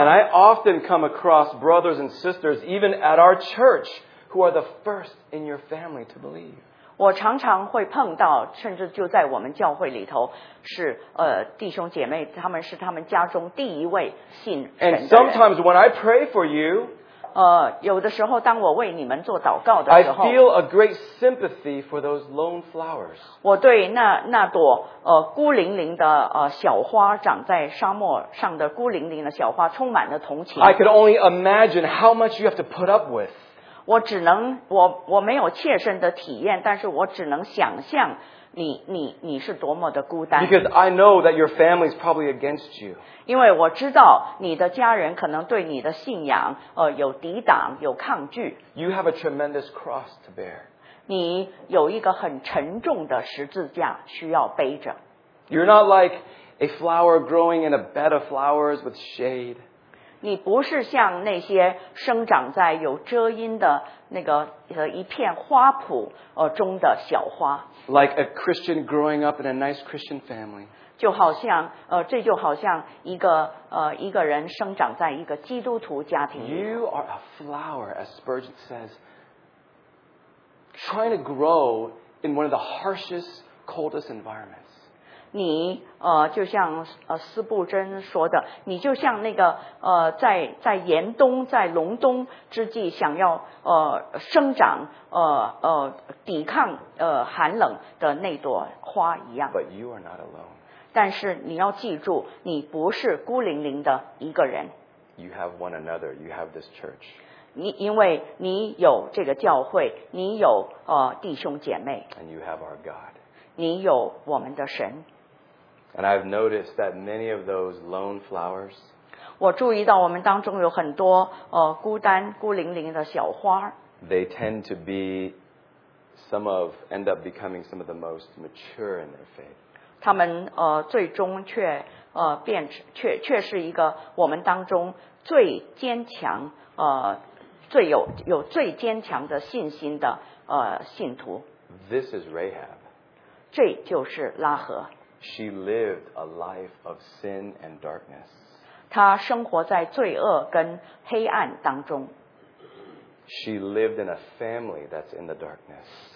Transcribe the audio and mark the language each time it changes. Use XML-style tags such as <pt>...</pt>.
<en>And I often come across brothers and sisters, even at our church, who are the first in your family to believe.</en> <zh>我常常会碰到，甚至就在我们教会里头，是弟兄姐妹，他们是他们家中第一位信神的人。</zh> <en>And sometimes when I pray for you,</en> <zh>有的时候当我为你们做祷告的时候</zh> <en>I feel a great sympathy for those lone flowers.</en> <zh>我对那朵孤零零的小花长在沙漠上的孤零零的小花充满了同情。</zh> <en>I could only imagine how much you have to put up with.</en> <zh>我只能我没有切身的体验但是我只能想象你是多么的孤单。</zh> <en>Because I know that your family is probably against you.</en> <zh>因为我知道你的家人可能对你的信仰有抵挡，有抗拒。</zh> <en>You have a tremendous cross to bear.</en> <zh>你有一个很沉重的十字架需要背着。</zh> <en>You're not like a flower growing in a bed of flowers with shade.</en> <zh>你不是像那些生长在有遮阴的那个一片花圃中的小花。</zh> <en>Like a Christian growing up in a nice Christian family.</en> <zh>就好像这就好像一个人生长在一个基督徒家庭。</zh> <en>You are a flower, as Spurgeon says, trying to grow in one of the harshest, coldest environments.</en> <zh>你就像斯布珍说的，你就像那个在严冬在隆冬之际想要生长抵抗寒冷的那朵花一样。</zh> <en>But you are not alone.</en> <zh>但是你要记住，你不是孤零零的一个人。</zh> <en>You have one another. You have this church.</en> <zh>你因为你有这个教会，你有弟兄姐妹。</zh> <en>And you have our God.</en> <zh>你有我们的神。</zh> <en>And I've noticed that many of those lone flowers.</en> <zh>我注意到我们当中有很多孤单孤零零的小花。</zh> <en>They tend to be end up becoming some of the most mature in their faith.</en> <zh>他们最终却变却是一个我们当中最坚强最有最坚强的信心的信徒。</zh> <en>This is Rahab.</en> <zh>这就是拉合。</zh> <en>She lived a life of sin and darkness.</en> <zh>她生活在罪恶跟黑暗当中。</zh> <en>She lived in a family that's in the darkness.</en>